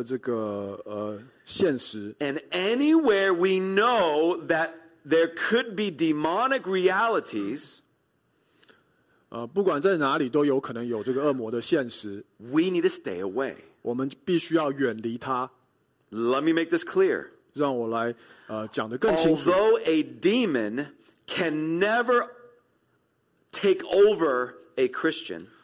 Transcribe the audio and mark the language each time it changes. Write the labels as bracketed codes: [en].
[zh] 我们必须要知道有意识到这个恶魔般的这个现实。 [en] And anywhere we know that there could be demonic realities, [zh] 不管在哪里都有可能有这个恶魔的现实。 [en] We need to stay away. [zh] 我们必须要远离它。 [en] Let me make this clear. [zh] 让我来讲得更清楚。 [en] Although a demon can never take over a Christian,